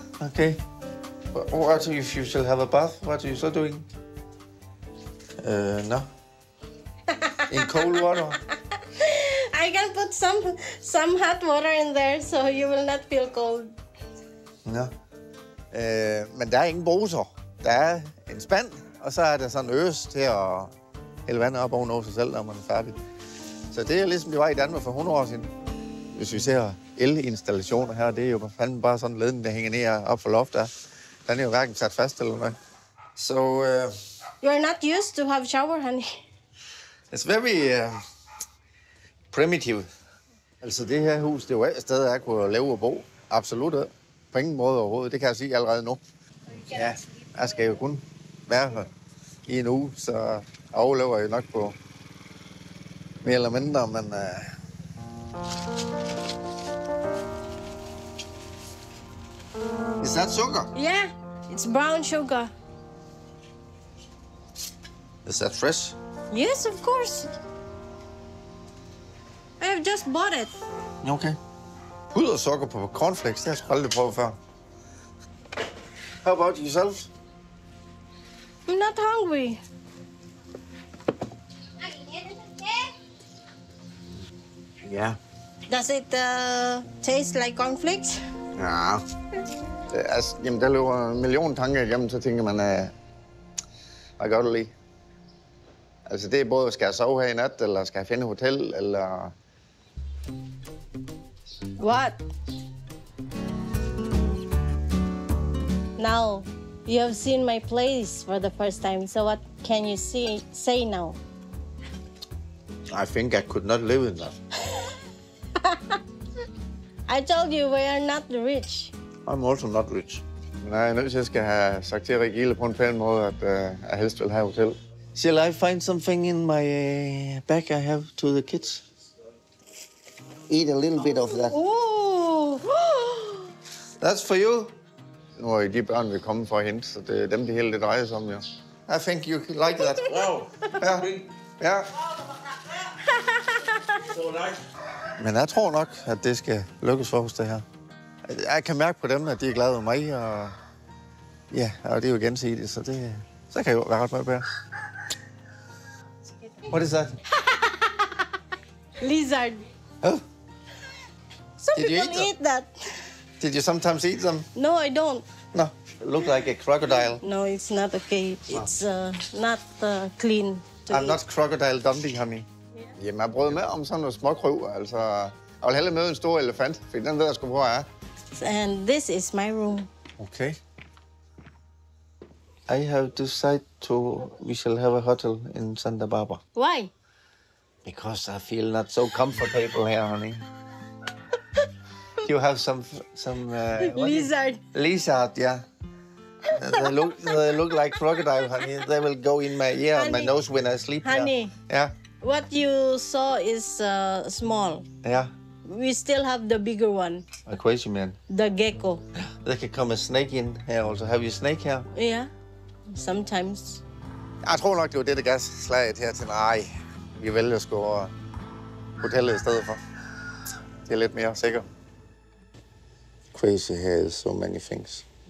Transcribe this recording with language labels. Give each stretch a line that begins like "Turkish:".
English: Okay. What if you shall have a bath? What are you still doing? No. In cold water? I can put some hot water in there, so you will not feel cold. No.
Danish: Men der er ingen bruser. Der er en spand, og så er der sådan øs til at hælde vandet op og nå sig selv, når man er færdig. Så det er ligesom, vi var i Danmark for 100 år siden. Hvis vi ser elinstallationer her, det er jo fanden bare sådan leden, der hænger ned op for loftet. Den er jo hverken sat fast eller noget.
English: So, you are not used to have shower, honey. It's very primitive.
Danish: Altså det her hus, det er jo et sted, jeg kunne leve og bo. Absolut. På ingen måde overhovedet. Det kan jeg sige allerede nu. Ja, jeg skal jo kun være her i en uge, så overlever jeg jo nok på mere eller mindre, men
English: is that sugar? Yeah, it's brown sugar. Is that fresh? Yes, of course. I have just bought it. Okay.
Danish: Hud og sukker på cornflakes, det har jeg aldrig prøvet før.
English: How about yourself? I'm not hungry. Yeah. Does it taste like cornflakes?
Danish: Ja. Altså, jamen, der løber en million tanker igennem, så tænker man, hvad gør du lige? Altså, det er både, skal jeg sove her i nat, eller skal jeg finde hotel, eller...
English: What? Now, you have seen my place for the first time, so what can you say now? I think I could not live in that. I told you we are not rich. I'm also not rich.
Danish: Men jeg er nødt til at skal have sagt til Regila på en pæn måde, at jeg helst vil have hotel.
English: Shall I find something in my bag I have to the kids? Eat a little bit of that. Ooh. That's for you.
Danish: Nu er de børn, vi er kommet for at hente, så det er dem, det hele det drejer sig om, ja.
English: I think you like that. Wow.
Danish: Ja. Ja. Men jeg tror nok, at det skal lykkes for os, det her. Jeg kan mærke på dem, at de er glade med mig, og ja, og det er jo gensidigt, så det så kan jo være ret meget bedre.
English: What is that? Lizard. Oh. Some did you eat them? That. Did you sometimes eat them? No, I don't. No, it looked like a crocodile. No, it's not okay. It's not clean. I'm not crocodile dumping, honey. Yeah.
Danish: Jamen, jeg brød med om sådan noget småkryv, altså. Jeg vil hellere møde en stor elefant, for den ved jeg sgu, hvor jeg er.
English: And this is my room. Okay. I have decided to we shall have a hotel in Santa Barbara. Why? Because I feel not so comfortable here, honey. You have some lizard. Lizard, yeah. They look like crocodile, honey. They will go in my ear, honey, my nose when I sleep. Honey. Yeah. What you saw is small. Yeah. We still have the bigger one. A crazy man. The gecko. There could come a snake in here also. Have you a snake here? Yeah, sometimes.
Danish: Jeg tror nok, det var det, der gav slaget her til. Nej, vi vælger sgu over hotellet i stedet for. Det er lidt mere sikkert.
English: Crazy here is so many things.